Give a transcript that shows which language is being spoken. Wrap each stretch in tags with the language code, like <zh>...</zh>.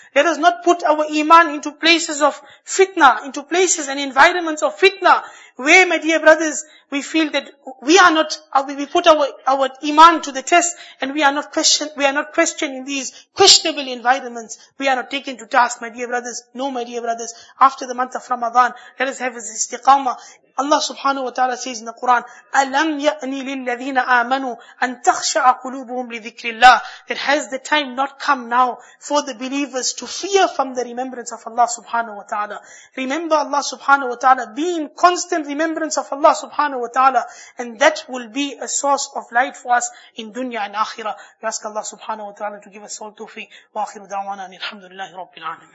<en>Let us not put our iman into places of fitna, into places and environments of fitna, where, my dear brothers, we feel that we are not, we put our iman to the test, and we are not questioned in these questionable environments. We are not taken to task, my dear brothers. No, my dear brothers, after the month of Ramadan, let us have this istiqamah. Allah subhanahu wa ta'ala says in the Quran,</en> <ar>أَلَمْ يَأْنِي لِلَّذِينَ آمَنُوا أَن تَخْشَعَ قُلُوبُهُمْ لِذِكْرِ اللَّهِ.</ar> <en>That has the time not come now for the believers to fear from the remembrance of Allah subhanahu wa ta'ala. Remember Allah subhanahu wa ta'ala, be in constant remembrance of Allah subhanahu wa ta'ala, and that will be a source of light for us in dunya and akhirah. We ask Allah subhanahu wa ta'ala to give us all tawfiq.</en> <ar>وَآخِرُ دَعْوَانَا الْحَمْدُ لِلَّهِ رَبِّ الْعَالَمِينَ.</ar>